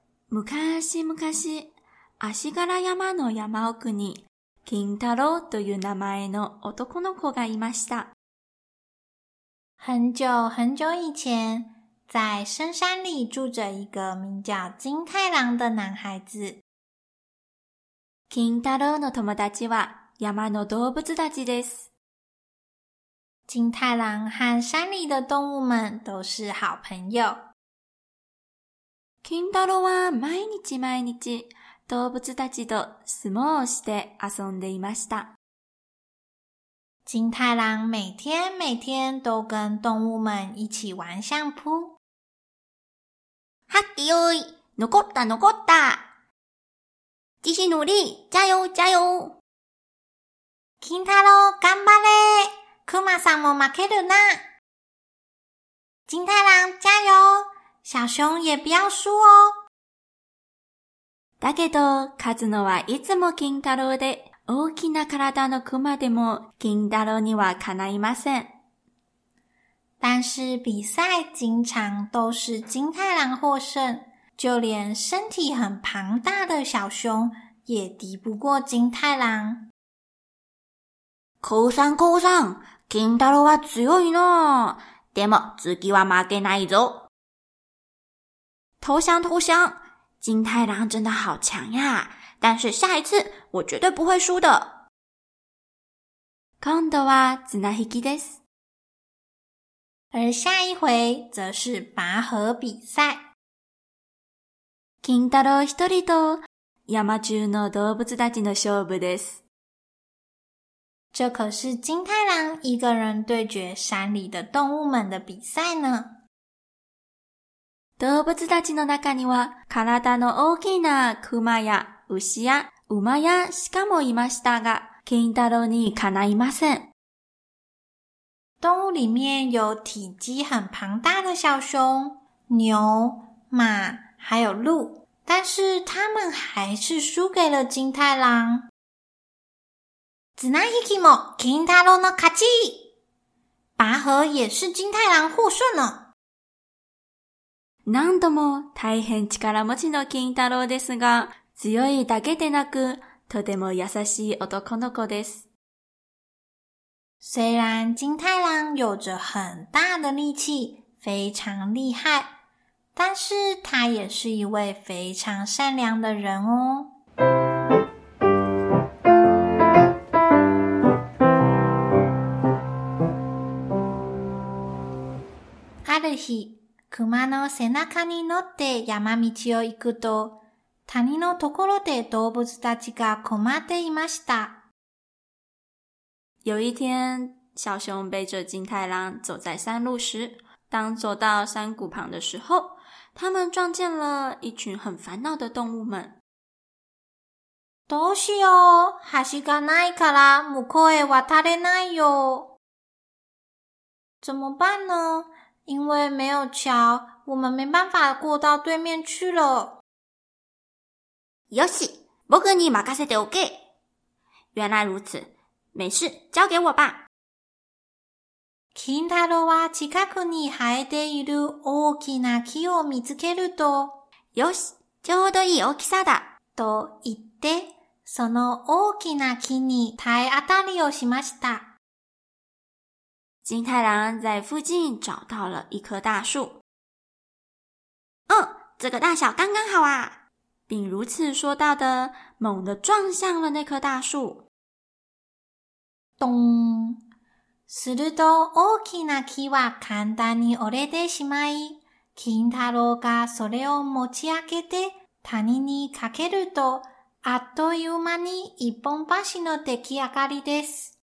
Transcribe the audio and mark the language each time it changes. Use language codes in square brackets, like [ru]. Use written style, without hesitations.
[ja] むかしむかし、足柄山の山奥に金太郎という名前の男の子がいました。 [zh] 很久很久以前，在深山里住着一个名叫金太郎的男孩子。 [ja] 金太郎の友達は山の動物たちです。 [zh] 金太郎和山里的动物们都是好朋友。 [ja] 金太郎は毎日毎日動物たちと相撲をして遊んでいました。 [zh] 金太郎每天每天都跟動物们一起玩相扑。 [ja] ハッキーおい、残った残った。 [zh] 继续努力、加油加油。 [ja] 金太郎、頑張れ。クマさんも負けるな。 [zh] 金太郎、加油。小熊也不要输哦。 [ja] だけど、勝つのはいつも金太郎で、大きな体の熊でも金太郎にはかないません。 [zh] 但是比赛经常都是金太郎获胜，就连身体很庞大的小熊也敌不过金太郎。 [ja] 降参降参，金太郎は強いな。でも次は負けないぞ。 [zh] 投降投降，金太郎真的好强呀，但是下一次我绝对不会输的。 [ja] 今度は綱引きです。 [zh] 而下一回则是拔河比赛。 [ja] 金太郎一人と山中の動物たちの勝負です。 [zh] 这可是金太郎一个人对决山里的动物们的比赛呢。 [ja] 動物たちの中には体の大きな熊や牛や馬や鹿もいましたが、金太郎にかないません。 [zh] 動物里面有体积很庞大的小熊、牛、马、还有鹿、但是他们还是输给了金太郎。 [ja] 綱引きも金太郎の勝ち。 [zh] 拔河也是金太郎获胜了。 [ja] 何度も大変力持ちの金太郎ですが、強いだけでなく、とても優しい男の子です。 [zh] 虽然金太郎有着很大的力气、非常厉害、但是他也是一位非常善良的人哦。 [ja] ある日、熊の背中に乗って山道を行くと、谷のところで動物たちが困っていました。 [zh] 有一天、小熊背着金太郎走在山路时、当走到山谷旁的时候、他们撞见了一群很烦恼的动物们。 [ja] どうしよう、橋がないから向こうへ渡れないよ。 [zh] 怎么办呢？因为没有桥，我们没办法过到对面去了。 [ja] よし、僕に任せておけ。 [zh] 原来如此，没事，交给我吧。 [ja] 金太郎は近くに生えている大きな木を見つけると、よし、ちょうどいい大きさだ。と言って、その大きな木に体当たりをしました。 [zh] 金太郎在附近找到了一棵大树。嗯，这个大小刚刚好啊。并如此说到的，猛地撞向了那棵大树。咚！ [ja] すると大きな木は簡単に折れてしまい、金太郎がそれを持ち上げて谷にかけると、あっという間に一本橋の出来上がりです。